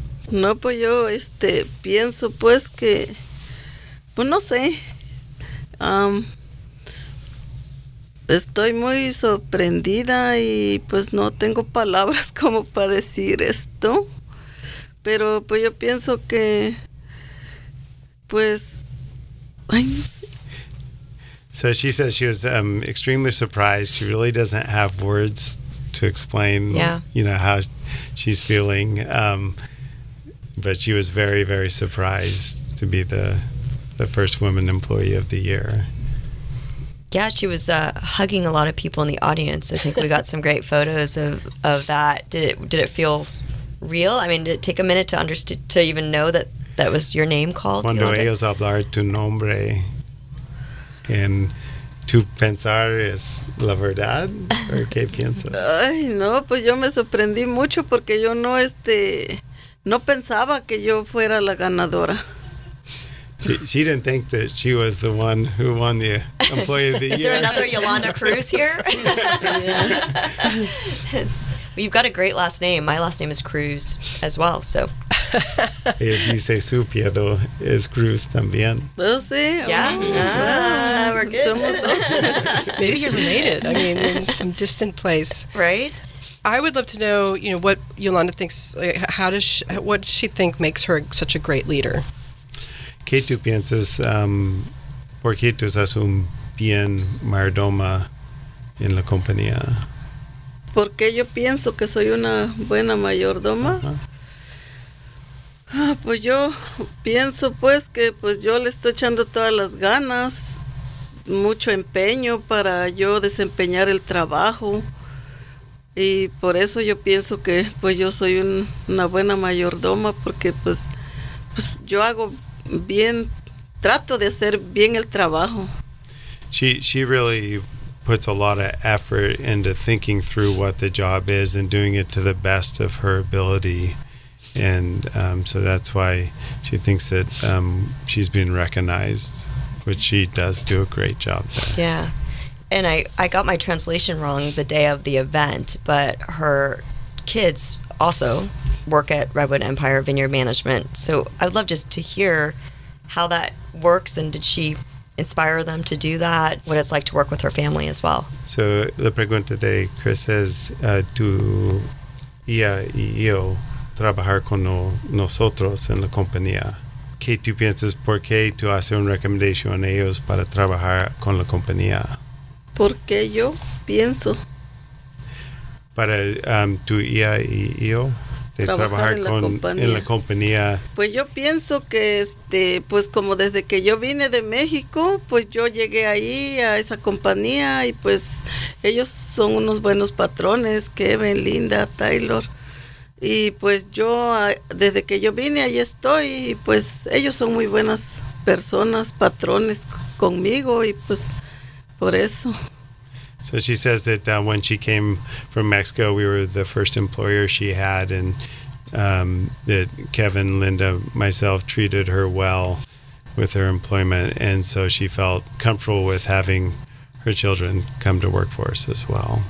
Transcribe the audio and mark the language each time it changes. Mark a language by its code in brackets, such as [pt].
[es] No, pues yo pienso pues que, pues no sé, estoy muy sorprendida y pues no tengo palabras como para decir esto, pero pues yo pienso que, pues, [en] so she says she was extremely surprised. She really doesn't have words to explain, you know, how she's feeling. But she was very, very surprised to be the first woman employee of the year. Yeah, she was hugging a lot of people in the audience. I think we got some great photos of that. Did it feel real? I mean, did it take a minute to understand, to even know that that was your name called? [es] Cuando ellos hablar tu nombre en tu pensar es la verdad, ¿o qué piensas? Ay, no, pues yo me sorprendí mucho porque yo no no pensaba que yo fuera la ganadora. [en] She didn't think that she was the one who won the Employee of the Is Year. Is there another Yolanda Cruz here? Well, you've got a great last name. My last name is Cruz as well, so... [es] Dice su piedo es Cruz también. [en] We'll see. Yeah, we're good. Maybe you're related. I mean, in some distant place. Right. I would love to know, you know, what Yolanda thinks, what does she think makes her such a great leader? [es] ¿Qué tú piensas, por qué tú eres un bien mayordoma en la compañía? ¿Por qué yo pienso que soy una buena mayordoma? Pues yo pienso pues que pues yo le estoy echando todas las ganas, mucho empeño para yo desempeñar el trabajo y por eso yo pienso que pues yo soy una buena mayordoma porque pues yo hago bien, trato de hacer bien el trabajo. [en] She really puts a lot of effort into thinking through what the job is and doing it to the best of her ability. And so that's why she thinks that she's been recognized, which she does do a great job there. Yeah. And I got my translation wrong the day of the event, but her kids also work at Redwood Empire Vineyard Management. So I'd love just to hear how that works, and did she inspire them to do that, what it's like to work with her family as well. [es] So la pregunta de Chris es, tu hija y yo, trabajar con nosotros en la compañía. ¿Qué tú piensas? ¿Por qué tú haces una recomendación a ellos para trabajar con la compañía? Porque yo pienso. Para tu hija y yo de trabajar en la compañía. Pues yo pienso que pues como desde que yo vine de México, pues yo llegué ahí a esa compañía y pues ellos son unos buenos patrones, Kevin, Linda, Taylor. Y pues yo, desde que yo vine, ahí estoy, y pues ellos son muy buenas personas, patrones conmigo, y pues por eso. [en] So she says that when she came from Mexico, we were the first employer she had, and that Kevin, Linda, myself treated her well with her employment, and so she felt comfortable with having her children come to work for us as well.